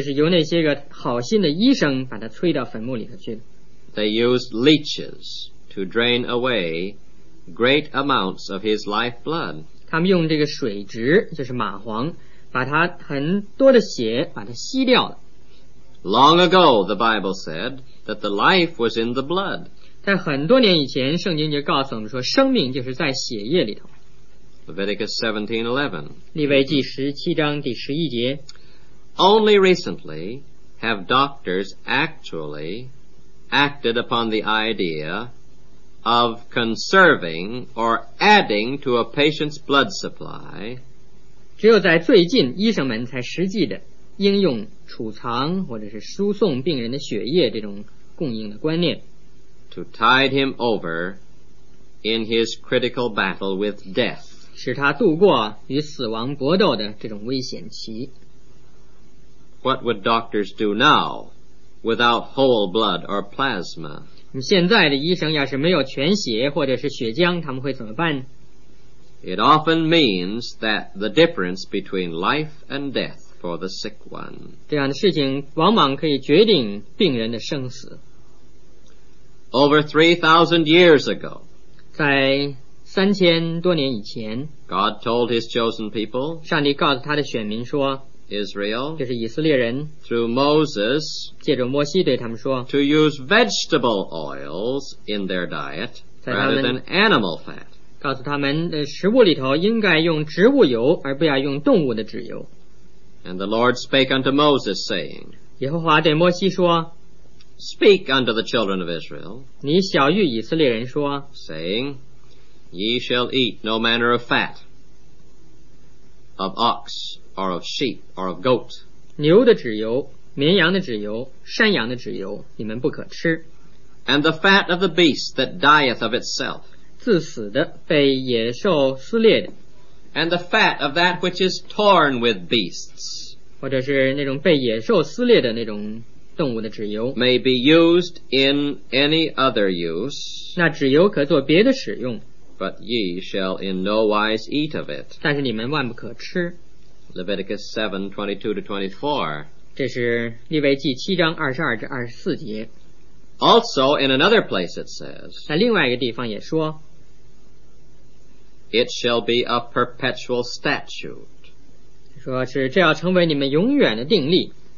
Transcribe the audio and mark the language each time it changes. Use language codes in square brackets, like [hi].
[zh] 就是由那些个好心的医生把他催到坟墓里头去了。 [en] They used leeches to drain away great amounts of his lifeblood. [zh] 他们用这个水蛭，就是蚂蟥，把他很多的血把它吸掉了。 [en] Long ago, the Bible said that the life was in the blood. [zh] 在很多年以前，圣经就告诉我们说，生命就是在血液里头。 [en] Leviticus 17:11. [zh] 利未记十七章第十一节。 [en] Only recently have doctors actually acted upon the idea of conserving or adding to a patient's blood supply. [zh] 只有在最近，医生们才实际的应用储藏或者是输送病人的血液这种供应的观念。 [en] To tide him over in his critical battle with death. [zh] 使他度过与死亡搏斗的这种危险期。 [en] What would doctors do now without whole blood or plasma? [zh] 现在的医生要是没有全血或者是血浆，他们会怎么办？ [en] It often means that the difference between life and death for the sick one. [zh] 这样的事情往往可以决定病人的生死。 [en] Over 3,000 years ago, [zh] 在三千多年以前， [en] God told his chosen people, [zh] 上帝告诉他的选民说， [en] Israel, [zh] 就是以色列人， [en] through Moses, [zh] 借着摩西对他们说， [en] to use vegetable oils in their diet rather than animal fat. [zh] 告诉他们食物里头应该用植物油而不要用动物的脂油。 [en] And the Lord spake unto Moses, saying, [zh] 耶和华对摩西说， [en] Speak unto the children of Israel, [zh] 你晓谕以色列人说， [en] saying,Ye shall eat no manner of fat of ox or of sheep or of goat. [zh] 牛的脂油、绵羊的脂油、山羊的脂油，你们不可吃。 [en] And the fat of the beast that dieth of itself. [zh] 自死的、被野兽撕裂的。 [en] And the fat of that which is torn with beasts. [zh] 或者是那种被野兽撕裂的那种动物的脂油。 [en] May be used in any other use. [zh] 那脂油可做别的使用。 [en] But ye shall in no wise eat of it. [zh] 但是你们万不可吃。 [en] Leviticus 7:22-24. [zh] 这是利未记七章二十二至二十四节。 [en] Also in another place it says. [zh] 在另外一个地方也说。 [en] It shall be a perpetual statute. [zh] 说是这要成为你们永远的定例。